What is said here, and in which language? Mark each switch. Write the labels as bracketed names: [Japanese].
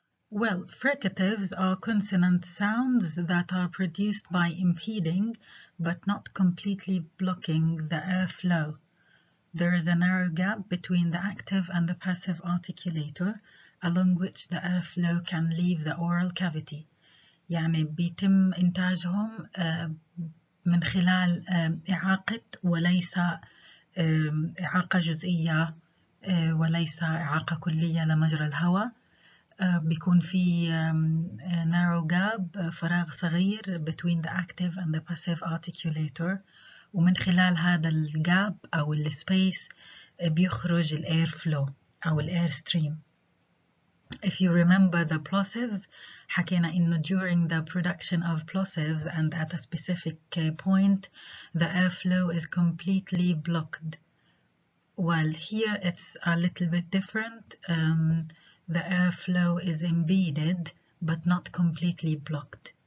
[English] Well, fricatives are consonant sounds that are produced by impeding but not completely blocking the airflow. There is a narrow gap between the active and the passive articulator along which the airflow can leave the oral cavity. [Arabic] يعني بيتم إنتاجهم من خلال إعاقة وليس إعاقة جزئية وليس إعاقة كلية لمجرى الهواء. بيكون في narrow gap, فراغ صغير between the active and the passive articulator, ومن خلال هذا الجاب أو space بيخرج الـ airflow أو الـ airstream. [English] If you remember the plosives, حكينا إنه during the production of plosives and at a specific point, the airflow is completely blocked. While here it's a little bit different, the airflow is impeded but not completely blocked.